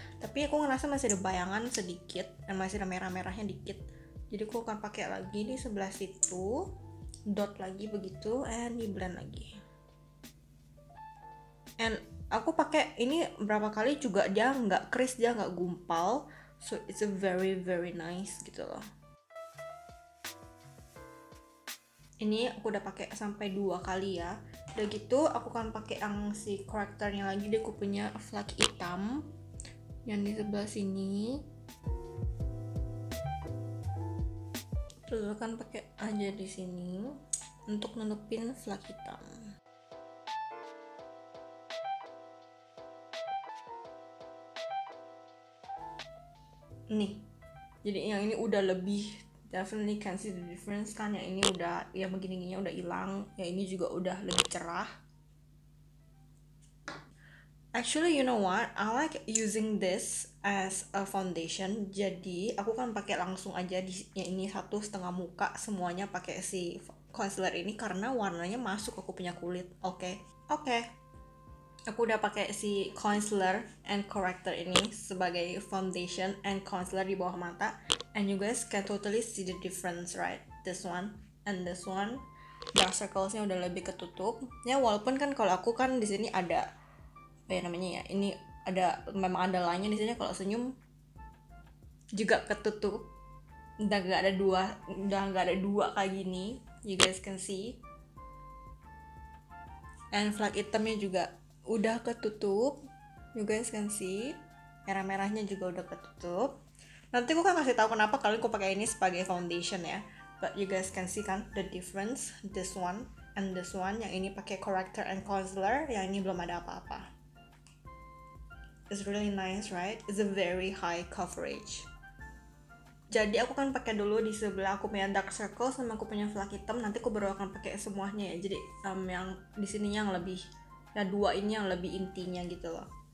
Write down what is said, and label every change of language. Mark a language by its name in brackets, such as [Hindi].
[Indonesian] Tapi aku ngerasa masih ada bayangan sedikit dan masih ada merah-merahnya dikit. Jadi aku akan pakai lagi di sebelah situ, dot lagi begitu, and di blend lagi. And aku pakai ini berapa kali juga dia nggak kris, dia nggak gumpal. [English] So it's a very very nice [Indonesian] gitu loh. Ini aku udah pakai sampai 2 kali ya. Udah gitu aku kan pakai yang si correctornya lagi. Dia aku punya flak hitam yang di sebelah sini. Terus aku kan pakai aja di sini untuk nutupin flak hitam. Nih. Jadi yang ini udah lebih [English] definitely can see the difference [Indonesian] kan, yang ini udah, yang begini-gininya udah hilang, yang ini juga udah lebih cerah. [English] Actually, you know what? I like using this as a foundation. [Indonesian] Jadi, aku kan pakai langsung aja di yang ini satu setengah muka semuanya pakai si concealer ini karena warnanya masuk aku punya kulit. Oke. Okay. Aku udah pakai si concealer and corrector ini sebagai foundation and concealer di bawah mata. [English] And you guys can totally see the difference, right? This one and this one, dark circles-nya [Indonesian] udah lebih ketutup. Ya walaupun kan kalau aku kan di sini ada apa ya namanya ya? Ini ada memang ada line-nya di sini. Kalau senyum juga ketutup. Udah nggak ada dua kayak gini. [English] You guys can see. [Indonesian] And flak hitamnya juga udah ketutup. [English] You guys can see. [Indonesian] Merah-merahnya juga udah ketutup. Nanti aku kan kasih tahu kenapa kalian aku pakai ini sebagai foundation ya. [English] But you guys can see kan the difference, this one and this one. [Indonesian] Yang ini pakai corrector and concealer, yang ini belum ada apa-apa. [English] It's really nice, right? It's a very high coverage. [Indonesian] Jadi aku kan pakai dulu di sebelah aku punya dark circle sama aku punya flak hitam. Nanti aku baru akan pakai semuanya ya. Jadi yang di sini yang lebih, ya dua ini yang lebih intinya gitu loh.